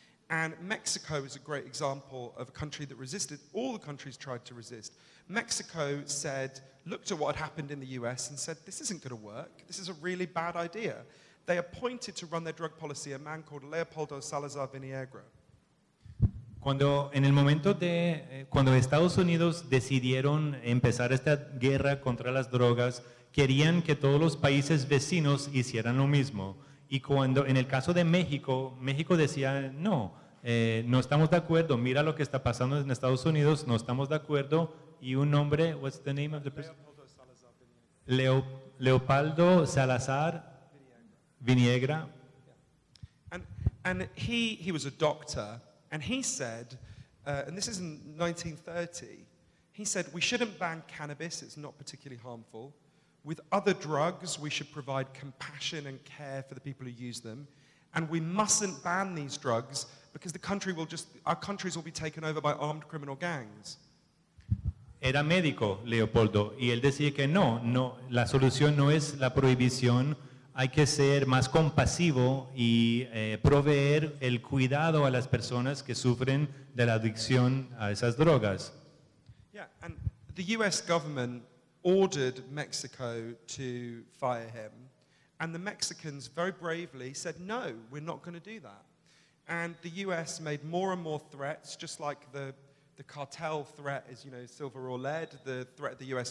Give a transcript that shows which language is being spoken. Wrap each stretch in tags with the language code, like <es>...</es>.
<en>And Mexico is a great example of a country that resisted. All the countries tried to resist. Mexico said, looked at what had happened in the US and said, this isn't going to work. This is a really bad idea. They appointed to run their drug policy a man called Leopoldo Salazar Viniegra.</en> <es>Cuando en el momento de cuando Estados Unidos decidieron empezar esta guerra contra las drogas, querían que todos los países vecinos hicieran lo mismo. Y cuando, en el caso de México, México decía, no, no estamos de acuerdo, mira lo que está pasando en Estados Unidos, no estamos de acuerdo, y un hombre,</es> <en>what's the name of the person?</en> <es>Leopoldo Salazar Viniegra.</es> <en>And he was a doctor, and he said, and this is in 1930, he said, we shouldn't ban cannabis, it's not particularly harmful. With other drugs, we should provide compassion and care for the people who use them. And we mustn't ban these drugs because the country will just, our countries will be taken over by armed criminal gangs.</en> <es>Era médico, Leopoldo, y él decía que no, no, la solución no es la prohibición. Hay que ser más compasivo y proveer el cuidado a las personas que sufren de la adicción a esas drogas.</es> <en>Yeah, and the U.S. government ordered Mexico to fire him, and the Mexicans very bravely said, no, we're not going to do that. And the U.S. made more and more threats, just like the cartel threat is, you know, silver or lead. The threat of the U.S.</en>